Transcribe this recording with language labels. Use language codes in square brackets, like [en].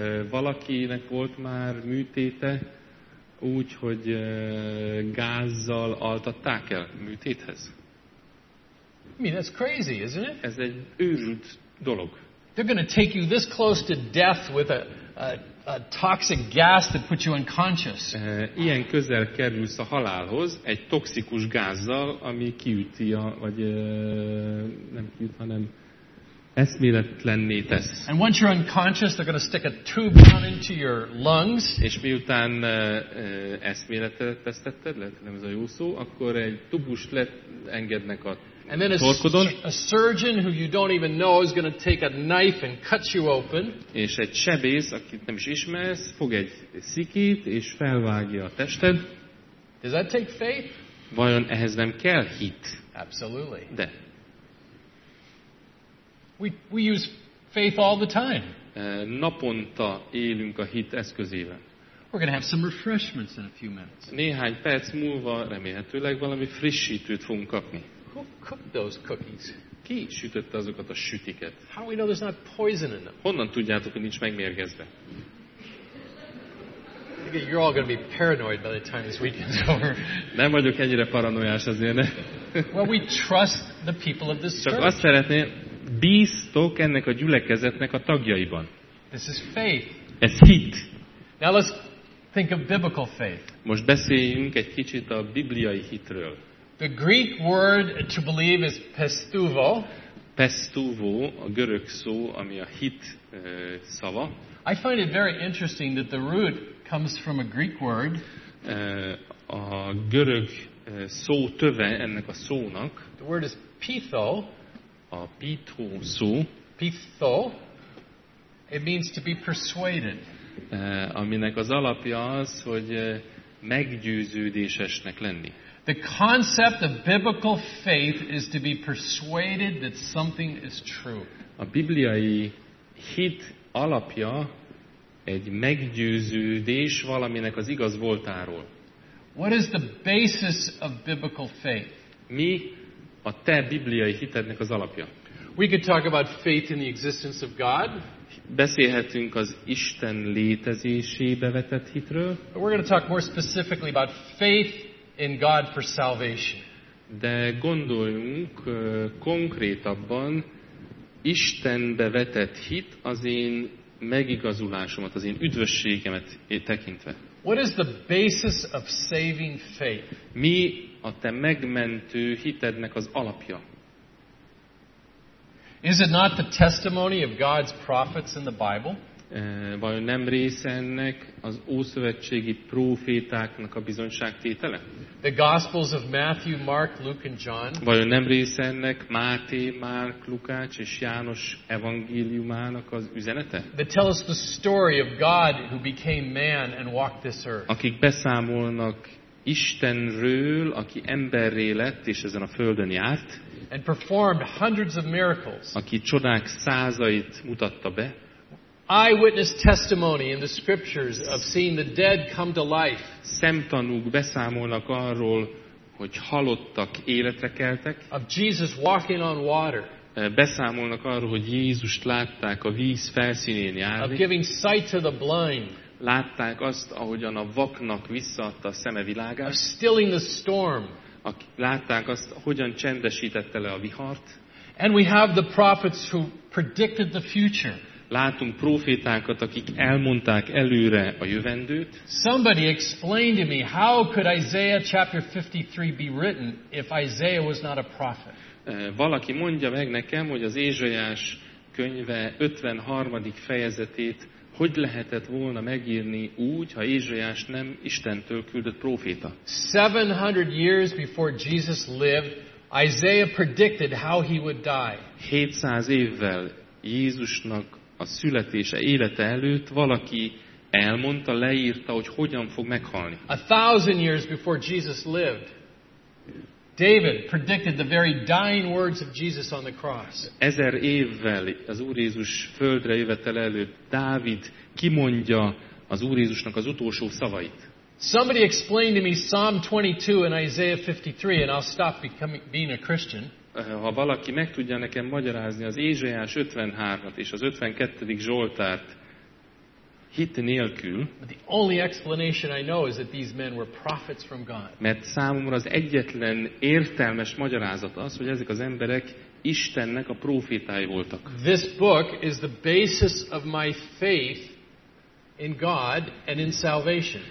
[hu] Valakinek volt már műtéte, úgy, hogy gázzal altatták el műtéthez. [en] I mean, that's crazy, isn't it? [hu] Ez egy őrült dolog. [en] They're going to take you this close to death with a toxic gas that puts you unconscious. [hu] Ilyen közel kerülsz a halálhoz egy toxikus gázzal, ami kiüti a, vagy nem kiüt, hanem eszméletlenné tesz. [en] And once you're unconscious, they're going to stick a tube down into your lungs. [hu] És miután eszméletlenítetted, nem ez a jó szó, akkor egy tubust engednek a [en] And then a surgeon who you don't even know is going to take a knife and cut you open. [hu] És egy sebész, akit nem is ismersz, fog egy szikét és felvágja a tested. [en] Does that take faith? [hu] Vajon ehhez nem kell hit? [en] Absolutely. [hu] De. [en] We use faith all the time. [hu] Naponta élünk a hit eszközével. [en] We're going to have some refreshments in a few minutes. [hu] Néhány perc múlva remélhetőleg valami frissítőt fogunk kapni. [en] Cooked those cookies. [hu] Ki sütötte azokat a sütiket? [en] How do we know there's not poison in them? [hu] Honnan tudjátok, hogy nincs megmérgezve? [en] You're all going to be paranoid by the time this weekend's over. [hu] Nem vagyok ennyire paranoiás azért, ne? [en] Well, we trust the people of this church. [hu] Csak azt szeretném, bíztok ennek a gyülekezetnek a tagjaiban. [en] This is faith. [hu] Ez hit. [en] Now let's think of biblical faith. [hu] Most beszéljünk egy kicsit a bibliai hitről. [en] The Greek word to believe is pistuvo. [hu] Pistuvo, a görög szó, ami a hit szava. [en] I find it very interesting that the root comes from a Greek word. [hu] A görög szó töve ennek a szónak. [en] The word is pitho. [hu] A pitho szó. [en] Pitho. It means to be persuaded. [hu] Aminek az alapja az, hogy meggyőződésesnek lenni. [en] The concept of biblical faith is to be persuaded that something is true. [hu] A bibliai hit alapja egy meggyőződés valaminek az igaz voltáról. [en] What is the basis of biblical faith? [hu] Mi a te bibliai hitednek az alapja? [en] We could talk about faith in the existence of God. [hu] Beszélhetünk az Isten létezésébe vetett hitről. [en] But we're going to talk more specifically about faith in God for salvation. [hu] De gondoljunk konkrétabban Istenbe vetett hit az én megigazulásomat, az én üdvösségemet tekintve. [en] What is the basis of saving faith? [hu] Mi a te megmentő hitednek az alapja? [en] Is it not the testimony of God's prophets in the Bible? [hu] Vajon nem része ennek az ószövetségi prófétáknak a bizonyságtétele? [en] The Gospels of Matthew, Mark, Luke and John. [hu] Vajon nem része ennek Máté, Márk, Lukács és János evangéliumának az üzenete? [en] They tell us the story of God who became man and walked this earth. [hu] Akik beszámolnak Istenről, aki emberré lett és ezen a földön járt. [en] And performed hundreds of miracles. [hu] Aki csodák százait mutatta be. [en] Eyewitness testimony in the scriptures of seeing the dead come to life. [hu] Szemtanúk beszámolnak arról, hogy halottak életre keltek. [en] Of Jesus walking on water. [hu] Beszámolnak arról, hogy Jézust látták a víz felszínén járni. [en] Of giving sight to the blind. [hu] Látták azt, ahogyan a vaknak visszaadta a szeme világát. [en] Of stilling the storm. [hu] Látták azt, hogyan csendesítette le a vihart. [en] And we have the prophets who predicted the future. [hu] Látunk prófétákat, akik elmondták előre a jövendőt. [en] Somebody explain to me how could Isaiah chapter 53 be written if Isaiah was not a prophet? [hu] Valaki mondja meg nekem, hogy az Ézsaiás könyve 53. fejezetét hogy lehetett volna megírni úgy, ha Ézsaiás nem Istentől küldött próféta? [en] 700 years before Jesus lived, Isaiah predicted how he would die. [hu] 700 évvel Jézusnak a születése élete előtt valaki elmondta, leírta, hogy hogyan fog meghalni. [en] 1,000 years before Jesus lived, David predicted the very dying words of Jesus on the cross. [hu] 1,000 évvel az Úr Jézus földre jövetele előtt Dávid kimondja az Úr Jézusnak az utolsó szavait. [en] Somebody explained to me Psalm 22 and Isaiah 53 and I'll stop being a Christian. [hu] Ha valaki meg tudja nekem magyarázni az Ézsaiás 53-at és az 52. Zsoltárt hit nélkül. [en] But the only explanation I know is that these men were prophets from God. [hu] Mert számomra az egyetlen értelmes magyarázat az, hogy ezek az emberek Istennek a prófétái voltak. [en] This book is the basis of my faith in God and in salvation.